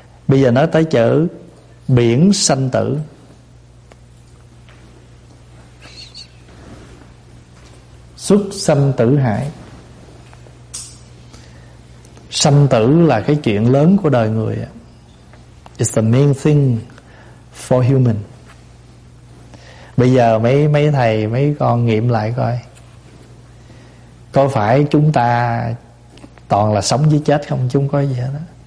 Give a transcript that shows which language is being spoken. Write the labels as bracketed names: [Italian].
[Vietnamese] Bây giờ nói tới chữ biển sanh tử. Xuất sanh tử hải. Sanh tử là cái chuyện lớn của đời người. [English] It's the main thing for human. [Vietnamese] Bây giờ mấy thầy, mấy con nghiệm lại coi, có phải chúng ta toàn là sống với chết không? Chúng có gì hết đó.